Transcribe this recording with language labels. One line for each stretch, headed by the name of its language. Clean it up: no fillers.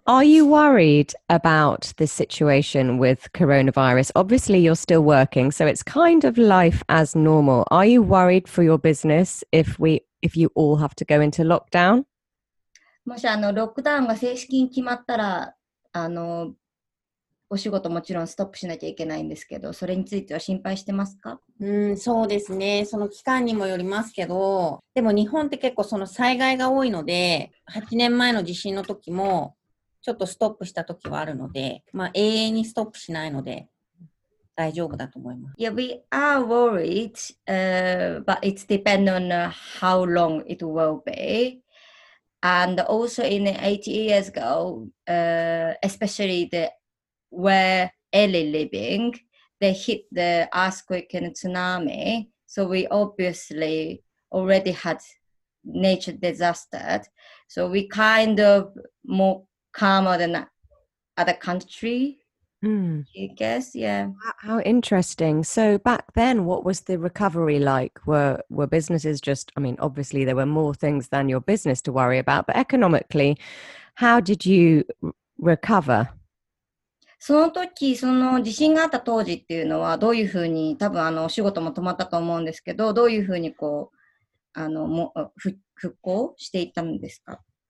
English: Are you worried about the situation with coronavirus? Obviously, you're still working, so it's kind of life as normal. Are you worried for your business if you all have to go into lockdown?
Japanese: もしロックダウンが正式に決まったら、お仕事もちろんストップしなきゃいけないんですけど、それについては心配してますか？そうですね。その期間にもよりますけど、でも日本って結構その災害が多いので、8年前の地震の時もちょっとストップした時はあるので、まあ永遠にストップしないので、大丈夫だと思います。
English: Yeah, we are worried, but it depends on how long it will be. And also in 80 years ago, especially where Ellie living, they hit the earthquake and tsunami. So we obviously already had nature disaster. So we kind of more calmer than other country, I guess, yeah. How interesting. So back then, what was the recovery like? Were businesses just, I mean, obviously there were more things than your business to worry about, but economically, how did you recover?
Japanese: その時、その地震があった当時っていうのはどういうふうに、多分お仕事も止まったと思うんですけど、どういうふうにこう、復興していったんですか？